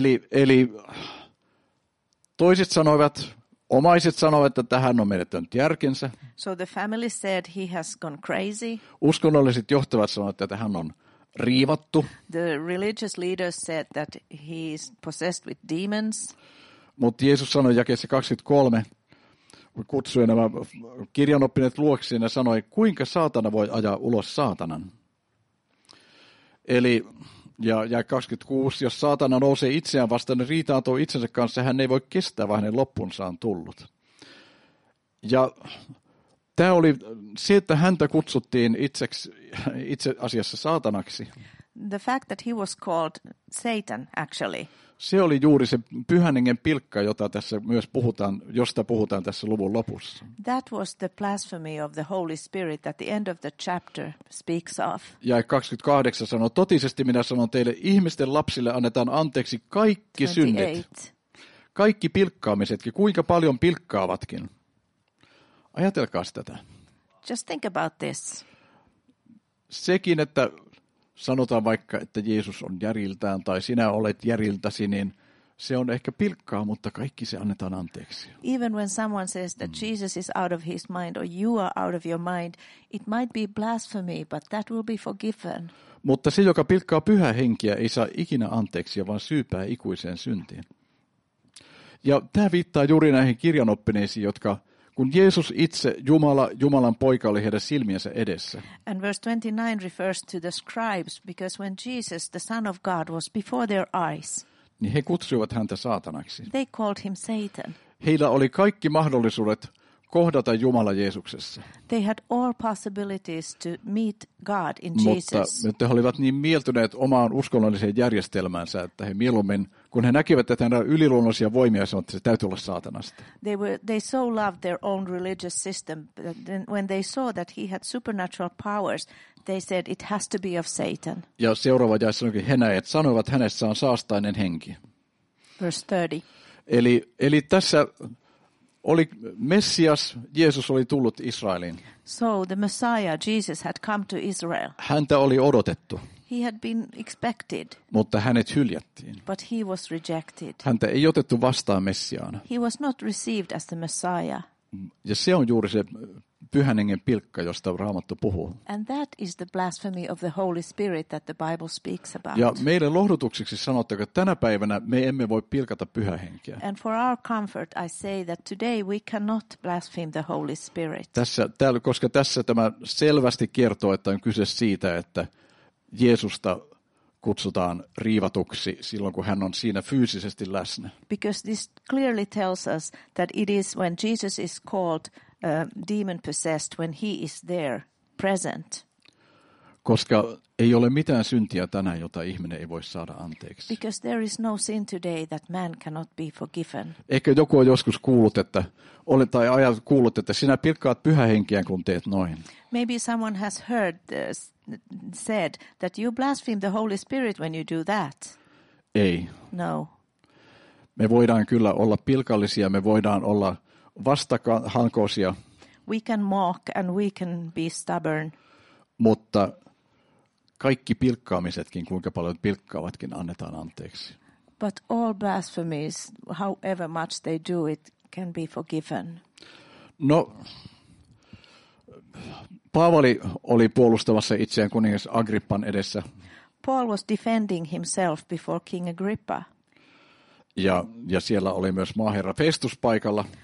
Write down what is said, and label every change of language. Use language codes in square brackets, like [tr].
[fi] Eli toiset sanoivat, omaiset sanoivat, että hän on menettänyt järkensä. [en] So the family said he has gone crazy. [fi] Uskonnolliset johtavat sanoivat, että hän on riivattu. [en] The religious leaders said that he is possessed with demons. [fi] Mutta Jeesus sanoi jakeessa 23, kutsui nämä kirjanoppineet luokseen ja sanoi, kuinka saatana voi ajaa ulos saatanan. Eli ja 26, jos saatana nousee itseään vastaan, niin riitaantuu itsensä kanssa, hän ei voi kestää, vaan hänen loppunsa on tullut. Ja tämä oli se, että häntä kutsuttiin itse asiassa saatanaksi. [en] The fact that he was called Satan, actually. [fi] Se oli juuri se pyhän hengen pilkka, jota tässä myös puhutaan, josta puhutaan tässä luvun lopussa. [en] That was the blasphemy of the Holy Spirit that the end of the chapter speaks of. [fi] Ja 28 sanoo, totisesti minä sanon teille, ihmisten lapsille annetaan anteeksi kaikki [en] 28. [fi] synnit. Kaikki pilkkaamisetkin, kuinka paljon pilkkaavatkin. Ajatelkaa tätä. [en] Just think about this. [fi] Sekin, että sanotaan vaikka, että Jeesus on järjiltään tai sinä olet järjiltäsi, niin se on ehkä pilkkaa, mutta kaikki se annetaan anteeksi. [en] Even when someone says that Jesus is out of his mind or you are out of your mind, it might be blasphemy, but that will be forgiven. [fi] Mutta se, joka pilkkaa pyhää henkeä, ei saa ikinä anteeksi, vaan syypää ikuiseen syntiin. Ja tämä viittaa juuri näihin kirjanoppineisiin, jotka kun Jeesus itse, Jumalan poika, oli heidän silmiensä edessä. [en] And verse 29 refers to the scribes, because when Jesus, the Son of God, was before their eyes. [fi] Niin he kutsuivat häntä saatanaksi. [en] They called him Satan. [fi] Heillä oli kaikki mahdollisuudet kohdata Jumala Jeesuksessa. [en] They had all possibilities to meet God in Jesus. [fi] Mutta he olivat niin mieltyneet omaan uskonnolliseen järjestelmäänsä, että he mieluummin, kun he näkivät, että hänellä on yliluonnollisia voimia, sanoivat, että se täytyy olla saatanasta. [en] They so loved their own religious system, but then when they saw that he had supernatural powers, they said it has to be of Satan. [fi] Ja seuraava jäi sanoikin, he näet sanoivat, että hänessä on saastainen henki. [en] Verse 30. [fi] Eli tässä oli Messias, Jeesus oli tullut Israeliin. [en] So the Messiah, Jesus, had come to Israel. [fi] Häntä oli odotettu. [en] He had been expected. [fi] Mutta hänet hyljättiin. [en] But he was rejected. [fi] Häntä ei otettu vastaan Messiaana. [en] He was not received as the Messiah. [fi] Ja se on juuri se pyhän hengen pilkka, josta Raamattu puhuu. [en] And that is the blasphemy of the Holy Spirit that the Bible speaks about. [fi] Ja meille lohdutukseksi sanottako, että tänä päivänä me emme voi pilkata pyhää henkeä. [en] And for our comfort I say that today we cannot blaspheme the Holy Spirit. [fi] Koska tässä tämä selvästi kertoo, että on kyse siitä, että Jeesusta kutsutaan riivatuksi silloin, kun hän on siinä fyysisesti läsnä. [en] Because this clearly tells us that it is when Jesus is called demon possessed, when he is there present. [fi] Koska ei ole mitään syntiä tänään, jota ihminen ei voi saada anteeksi. [en] Because there is no sin today that man cannot be forgiven. [fi] Ehkä joku on joskus kuullut, että olen tai ajat kuullut, että sinä pilkkaat pyhä henkiä, kun teet noin. [en] Maybe someone has heard this, said that you blaspheme the Holy Spirit when you do that. [fi] Ei. [en] No. [fi] Me voidaan kyllä olla pilkallisia, me voidaan olla vastahankoisia. [en] We can mock and we can be stubborn. [fi] Mutta kaikki pilkkaamisetkin, kuinka paljon pilkkaavatkin, annetaan anteeksi. [en] But all blasphemies, however much they do it, can be forgiven. [fi] No, Paavali oli puolustamassa itseään kuningas Agrippan edessä. [en] Paul was defending himself before King Agrippa. [fi] Ja siellä oli myös maaherra Festus paikalla.